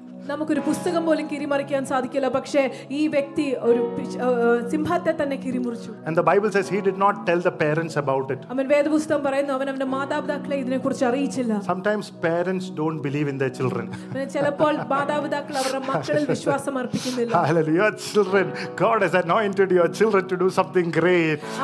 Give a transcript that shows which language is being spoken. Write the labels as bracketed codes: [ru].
[ml] നമുക്കൊരു പുസ്തകം പോലും കിരിമറിക്കാൻ സാധിക്കില്ല. പക്ഷേ ഈ വ്യക്തി ഒരു സിംഹത്തെ തന്നെ കിരിമുറിച്ചു. [en] And the Bible says he did not tell the parents about it. [ml] അമ്മൻ വേദപുസ്തകം പറയുന്നു അവൻ അവന്റെ മാതാപിതാക്കളെ ഇതിനെക്കുറിച്ച് അറിയിച്ചില്ല. [en] Sometimes parents don't believe in their children. [ml] ചിലപ്പോൾ മാതാപിതാക്കൾ അവരുടെ മക്കളിൽ വിശ്വാസം അർപ്പിക്കുന്നില്ല. [en] Hallelujah, children. God has anointed your children to do something great.